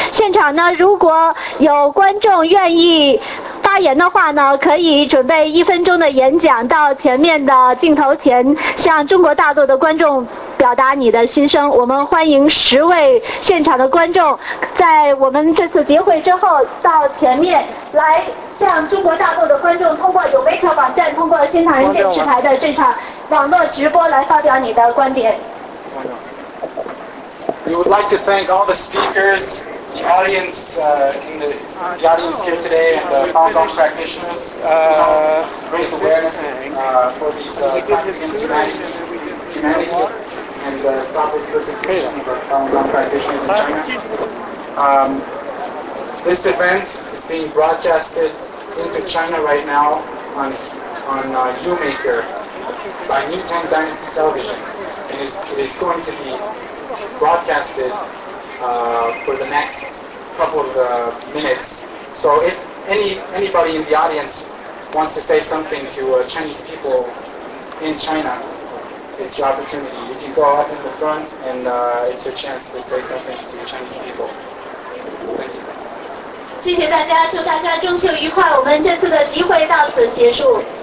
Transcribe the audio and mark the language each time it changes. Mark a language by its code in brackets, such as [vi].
[zh] 现场呢如果有观众愿意发言的话呢，可以准备1分钟的演讲到前面的镜头前，向中国大陆的观众表达你的心声。我们欢迎10位现场的观众在我们这次集会之后到前面来向中国大陆的观众通过有媒体网站，通过新唐人电视台的这场网络直播来发表你的观点。 [en] We would like to thank all the speakers, the audience, the audience here today, and the Hong Kong practitioners, raise awareness, for these, practicing humanity, and, stop this persecution of Hong Kong practitioners in China. This event is being broadcasted into China right now on YouMaker by New Tang Dynasty Television. It is going to be broadcasted for the next couple of minutes. So if anybody in the audience wants to say something to Chinese people in China, it's your opportunity. You can go up in the front and it's your chance to say something to Chinese people. Thank you. [zh] 谢谢大家，祝大家中秋愉快，我们这次的集会到此结束。